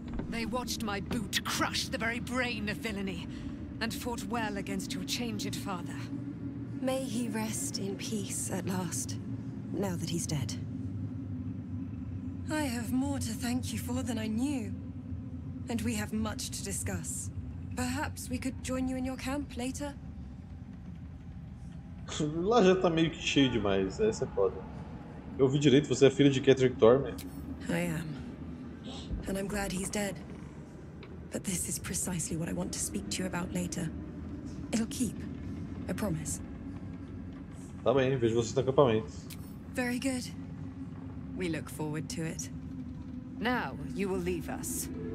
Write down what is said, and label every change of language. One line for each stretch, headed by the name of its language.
English: They watched my boot crush the very brain of villainy and fought well against your changed father. May he rest in peace at last, now that he's dead. I have more to thank you for than I knew. And we have much to discuss. Perhaps we could join you in your camp later?
Portuguese: Lá já tá meio que cheio demais, essa é foda. Eu ouvi direito, você é filha de Catherine Thorne.
English: I am. And I'm glad he's dead. But this is precisely what I want to speak to you about later. It'll keep, I promise.
Portuguese: Tá bem, vejo vocês no acampamento.
English: Very good. We look forward to it. Now you will leave us.